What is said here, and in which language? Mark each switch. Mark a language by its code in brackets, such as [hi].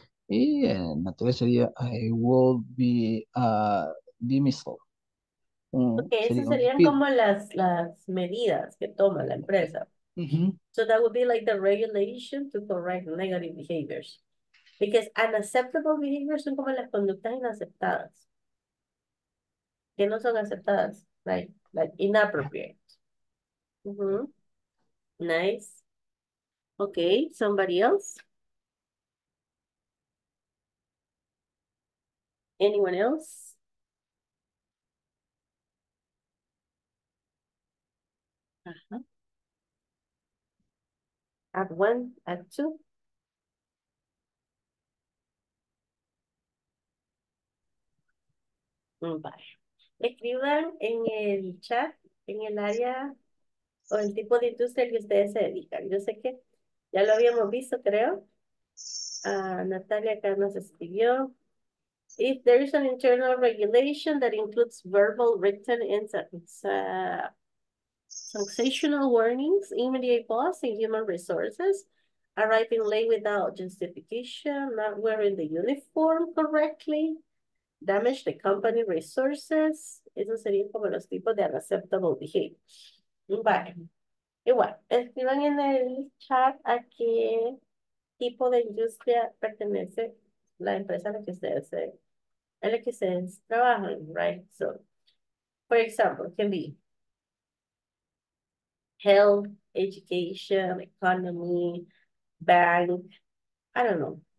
[es] Y en la tercera sería [en] I will be a dismissal. [es] Okay, esas sería serían como las medidas que toma la empresa. [en] So that would be like the regulation to correct negative behaviors. Because unacceptable behaviors [es] son como las conductas inaceptadas. Que no son aceptadas. [en] Like inappropriate. Nice. Okay, somebody else? Anyone else? Add one, add two. [es] Vale. Escriban en el chat, en el área o el tipo de industria que ustedes se dedican. Yo sé que ya lo habíamos visto, creo. Natalia acá nos escribió. [en] If there is an internal regulation that includes verbal, written, and sensational warnings, immediate pause in human resources, arriving late without justification, not wearing the uniform correctly, damage the company resources. [es] Esos serían como los tipos de [en] unacceptable behavior. [es] Vale. Igual, escriban en el chat a qué tipo de industria pertenece la empresa a la que ustedes trabajan, [en] right? So, for example, can be health, education, economy, bank, I don't know.